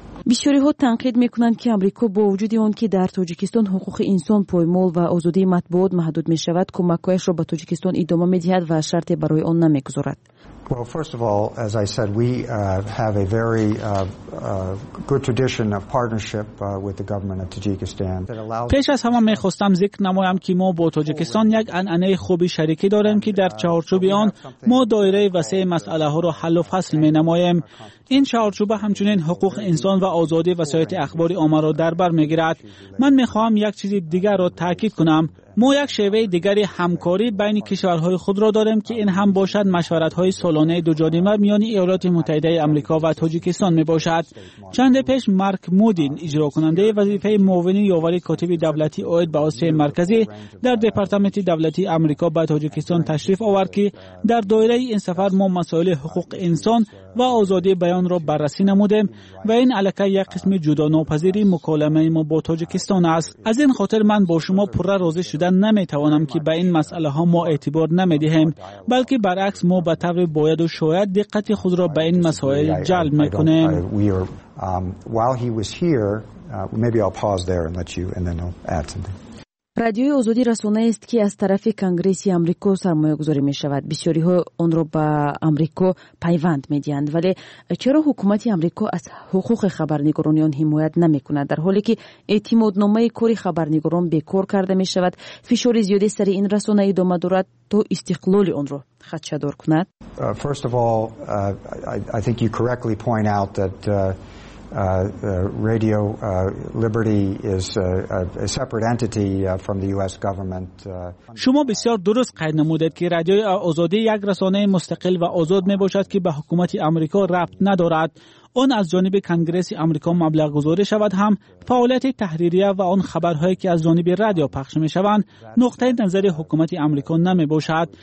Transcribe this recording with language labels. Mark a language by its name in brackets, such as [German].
[Persian] بسیاری ها تنقید میکنند که آمریکا با وجود آن که در تاجیکستان حقوق انسان پایمال و آزادی مطبوعات محدود می شود، کمک‌هایش را به تاجیکستان ادامه می دهد و شرطی برای آن نمی گذارد. [English] Well, first of all, as I said, we have a very good tradition of partnership with the government of Tajikistan. [Persian] پیش از همه می‌خواستم ذکر نمایم که ما با تاجیکستان یک عنعنه خوبی شریکی داریم که در چهارچوب آن ما دایره وسیع مسئله ها را حل و فصل می‌نماییم. این چهارچوب همچنین حقوق انسان و آزادی وسایل اخباری عامه را در بر می‌گیرد. من می‌خواهم یک چیز دیگر را تاکید کنم. ما یک شیوه دیگری همکاری بین کشورهای خود را داریم که این هم باشد مشورت‌های سالانه دو جانبه میان ایالات متحده آمریکا و تاجیکستان میباشد. چند پیش مارک مودین اجرا کننده وظیفه معاون یاوری کاتب دولتی آید به آسیای مرکزی در دپارتمان دولتی آمریکا به تاجیکستان تشریف آورد که در دایره این سفر ما مسائل حقوق انسان و آزادی بیان را بررسی نمودیم و این علاقه یک قسم جداناپذیری مکالمه ما با تاجیکستان است. از این خاطر من با شما پوره راضی شدن نمیتوانم که به این مسئله ها ما اعتبار نمیدهیم، بلکه برعکس ما به طور باید و شاید دقت خود را به این مسائل جلب میکنیم. [English] While he was here, maybe I'll pause there and let you and then I'll add something. [Persian] رادیوی آزادی رسانه است که از طرف کنگریسی امریکا سرمایه گذاری می شود. بسیاری ها اون را به امریکا پیوند می دیند. ولی چرا حکومت امریکا از حقوق خبرنگاران آن حمایت نمی کند؟ در حالی که اعتماد نامه کاری خبرنگاران بیکار کرده می شود، فشار زیادی سر این رسانه ادامه دارد تا استقلال اون را خدشه‌دار کند؟ [English] First of all, I think you correctly point out that Radio Liberty is a separate entity from the US government. [Persian] شما بسیار درست قید نمودید که رادیوی آزادی یک رسانه مستقل و آزاد میباشد که به حکومت آمریکا ربط ندارد. آن از جانب کنگره آمریکا مبلغ گذاری شود، هم فعالیت تحریریه و آن خبرهایی که از جانب رادیو پخش میشوند نقطه نظر حکومت آمریکا نمیباشد.